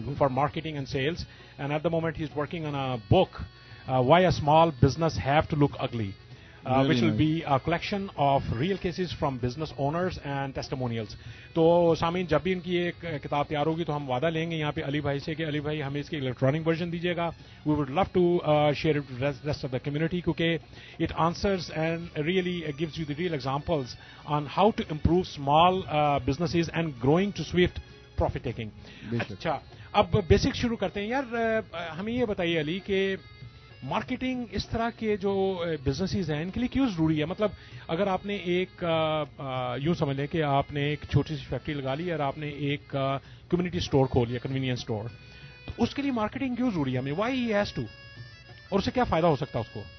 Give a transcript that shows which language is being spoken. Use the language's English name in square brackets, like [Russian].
[English] For marketing and sales, and at the moment he is working on a book, why a small business have to look ugly, which will be a collection of real cases from business owners and testimonials. [Urdu] تو سامعین, جب بھی ان کی ایک کتاب تیار ہوگی تو ہم وعدہ لیں گے یہاں پہ علی بھائی سے کہ علی بھائی ہمیں اس کے الیکٹرانک ورژن دیجیے گا. [English] we would love to share it rest of the community, [Urdu] کیونکہ [English] It answers and really gives you the real examples on how to improve small businesses and growing to swift profit taking. [Urdu] اچھا, اب basic شروع کرتے ہیں. یار ہمیں یہ بتائیے علی کہ مارکیٹنگ اس طرح کے جو بزنسز ہیں ان کے لیے کیوں ضروری ہے؟ مطلب اگر آپ نے ایک یوں سمجھ لیں کہ آپ نے ایک چھوٹی سی فیکٹری لگا لی اور آپ نے ایک کمیونٹی سٹور کھول لیا, کنوینئنس سٹور, تو اس کے لیے مارکیٹنگ کیوں ضروری ہے ہمیں؟ [English] why he has to, [Urdu] اور اسے کیا فائدہ ہو سکتا ہے اس کو؟